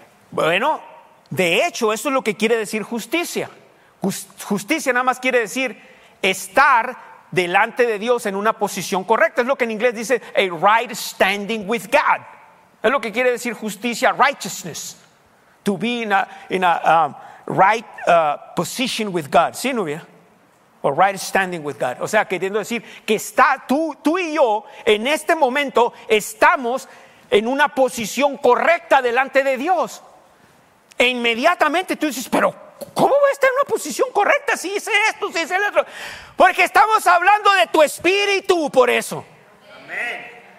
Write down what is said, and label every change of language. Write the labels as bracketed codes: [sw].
[es] Bueno, de hecho, eso es lo que quiere decir justicia. Justicia nada más quiere decir estar delante de Dios en una posición correcta. Es lo que en inglés dice [en] a right standing with God. [es] Es lo que quiere decir justicia, righteousness. [en] To be in a right position with God. [es] ¿Sí, Nubia? O [en] right standing with God. [es] O sea, queriendo decir que está tú y yo en este momento estamos en una posición correcta delante de Dios. E inmediatamente tú dices, pero ¿cómo voy a estar en una posición correcta si hice esto, si hice el otro? Porque estamos hablando de tu espíritu, por eso. Amén.